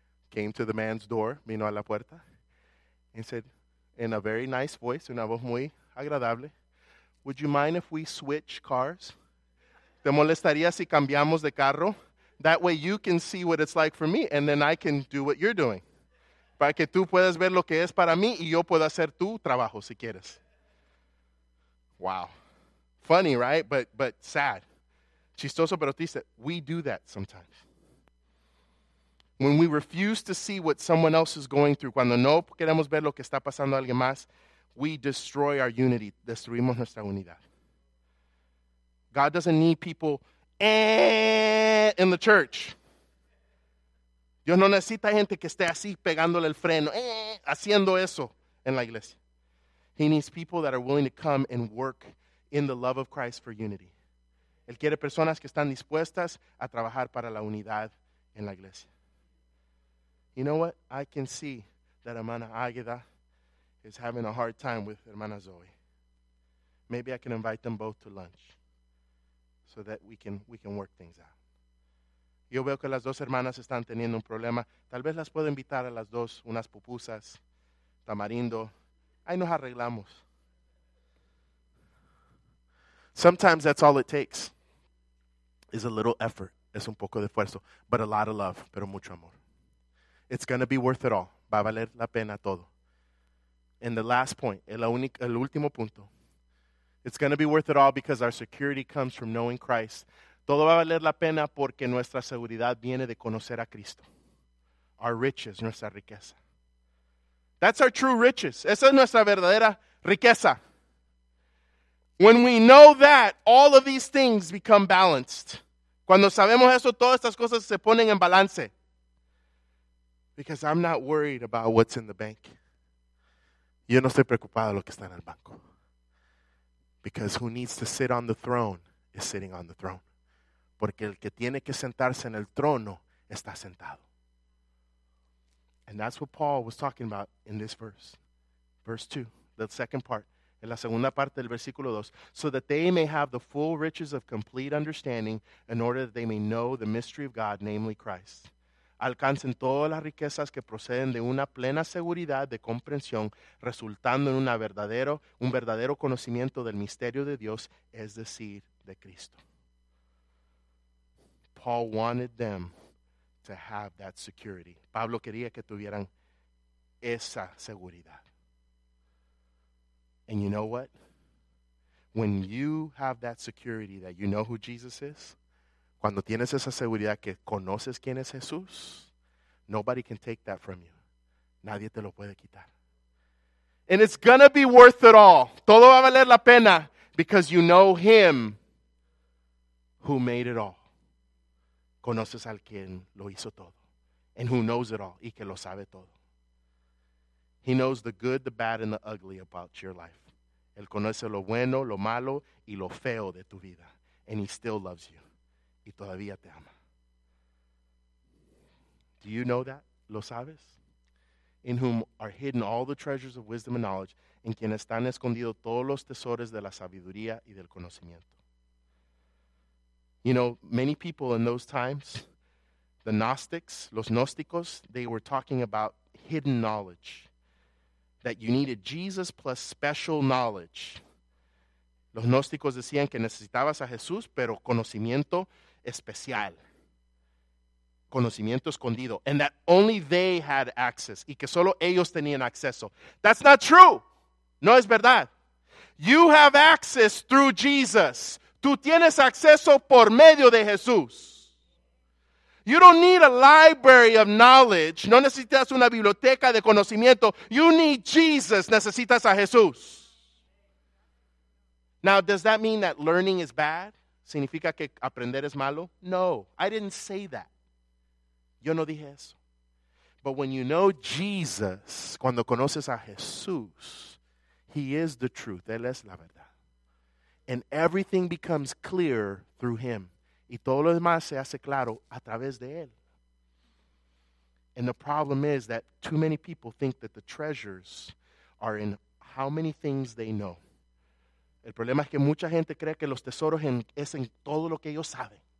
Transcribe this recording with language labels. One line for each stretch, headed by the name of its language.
English: Came to the man's door,
Spanish: vino a la puerta,
English: and said, in a very nice voice,
Spanish: una voz muy agradable,
English: would you mind if we switch cars?
Spanish: ¿Te molestaría si cambiamos de carro?
English: That way you can see what it's like for me, and then I can do what you're doing.
Spanish: Para que tú puedas ver lo que es para mí, y yo puedo hacer tu trabajo, si quieres.
English: Wow. Funny, right? But sad.
Spanish: Chistoso, pero triste.
English: We do that sometimes. When we refuse to see what someone else is going through,
Spanish: cuando no queremos ver lo que está pasando a alguien más,
English: we destroy our unity.
Spanish: Destruimos nuestra unidad.
English: God doesn't need people in the church.
Spanish: Dios no necesita gente que esté así pegándole el freno, haciendo eso en la iglesia.
English: He needs people that are willing to come and work in the love of Christ for unity.
Spanish: Él quiere personas que están dispuestas a trabajar para la unidad en la iglesia.
English: You know what? I can see that hermana Águeda is having a hard time with hermana Zoe. Maybe I can invite them both to lunch so that we can work things out.
Spanish: Yo veo que las dos hermanas están teniendo un problema. Tal vez las puedo invitar a las dos, unas pupusas, tamarindo. Ahí nos arreglamos.
English: Sometimes that's all it takes, is a little effort.
Spanish: Es un poco de esfuerzo,
English: but a lot of love,
Spanish: pero mucho amor.
English: It's going to be worth it all.
Spanish: Va a valer la pena todo.
English: And the last point,
Spanish: el último punto.
English: It's going to be worth it all because our security comes from knowing Christ.
Spanish: Todo va a valer la pena porque nuestra seguridad viene de conocer a Cristo.
English: Our riches,
Spanish: nuestra riqueza.
English: That's our true riches.
Spanish: Esa es nuestra verdadera riqueza.
English: When we know that, all of these things become balanced.
Spanish: Cuando sabemos eso, todas estas cosas se ponen en balance.
English: Because I'm not worried about what's in the bank.
Spanish: Yo no estoy preocupado de lo que está en el banco.
English: Because who needs to sit on the throne is sitting on the throne.
Spanish: Porque el que tiene que sentarse en el trono está sentado.
English: And that's what Paul was talking about in this verse. Verse 2, the second part.
Spanish: En la segunda parte del versículo 2.
English: So that they may have the full riches of complete understanding in order that they may know the mystery of God, namely Christ.
Spanish: Alcancen todas las riquezas que proceden de una plena seguridad de comprensión, resultando en un verdadero conocimiento del misterio de Dios, es decir, de Cristo.
English: Paul wanted them to have that security.
Spanish: Pablo quería que tuvieran esa seguridad.
English: And you know what? When you have that security that you know who Jesus is,
Spanish: cuando tienes esa seguridad que conoces quién es Jesús,
English: nobody can take that from you.
Spanish: Nadie te lo puede quitar.
English: And it's going to be worth it all.
Spanish: Todo va a valer la pena
English: because you know him who made it all.
Spanish: Conoces al quien lo hizo todo.
English: And who knows it all
Spanish: y que lo sabe todo.
English: He knows the good, the bad, and the ugly about your life.
Spanish: Él conoce lo bueno, lo malo, y lo feo de tu vida.
English: And he still loves you.
Spanish: Y todavía te ama.
English: Do you know that?
Spanish: ¿Lo sabes?
English: In whom are hidden all the treasures of wisdom and knowledge,
Spanish: en quien están escondidos todos los tesoros de la sabiduría y del conocimiento.
English: You know, many people in those times, the Gnostics, los Gnósticos, they were talking about hidden knowledge. That you needed Jesus plus special knowledge.
Spanish: Los Gnósticos decían que necesitabas a Jesús, pero conocimiento especial. Conocimiento escondido.
English: And that only they had access.
Spanish: Y que solo ellos tenían acceso.
English: That's not true.
Spanish: No es verdad.
English: You have access through Jesus.
Spanish: Tú tienes acceso por medio de Jesús.
English: You don't need a library of knowledge.
Spanish: No necesitas una biblioteca de conocimiento.
English: You need Jesus.
Spanish: Necesitas a Jesús.
English: Now, does that mean that learning is bad?
Spanish: ¿Significa que aprender es malo? No,
English: I didn't say that.
Spanish: Yo no dije eso.
English: But when you know Jesus,
Spanish: cuando conoces a Jesús,
English: he is the truth.
Spanish: Él es la verdad.
English: And everything becomes clear through him.
Spanish: Y todo lo demás se hace claro a través de él.
English: And the problem is that too many people think that the treasures are in how many things they know.
Spanish: El problema es que mucha gente cree que los tesoros es en todo lo que ellos saben.